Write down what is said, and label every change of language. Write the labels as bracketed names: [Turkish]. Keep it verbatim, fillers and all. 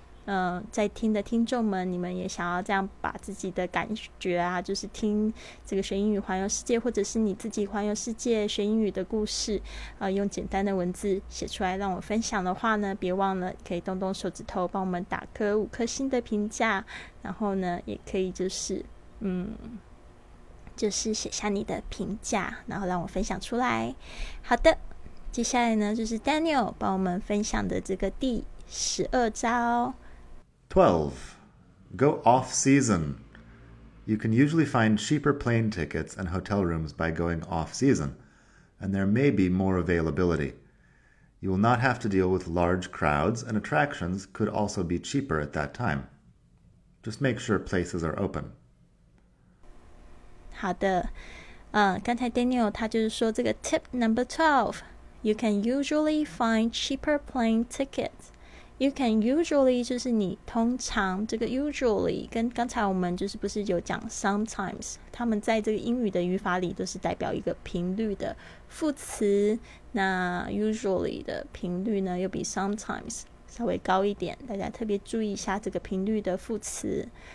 [Chinese] 呃在听的听众们，你们也想要这样把自己的感觉啊，就是听这个学英语环游世界，或者是你自己环游世界学英语的故事，呃用简单的文字写出来让我分享的话呢，别忘了可以动动手指头帮我们打颗五颗星的评价，然后呢也可以就是嗯就是写下你的评价，然后让我分享出来。好的，接下来呢就是 Daniel 帮我们分享的这个第十二招。 [English] twelve. Go off season. You can usually find cheaper plane tickets and hotel rooms by going off season, and there may be more availability. You will not have to deal with large crowds, and attractions could also be cheaper at that time. Just make sure places are open. [Chinese] 好的，嗯，刚才 Daniel 他就是说这个 [English] tip number twelve, you can usually find cheaper plane tickets. You can usually [Chinese] 就是你通常，这个 usually 跟刚才我们就是不是有讲 sometimes, 他们在这个英语的语法里都是代表一个频率的副词，那 usually 的频率呢又比 sometimes 稍微高一点，大家特别注意一下这个频率的副词。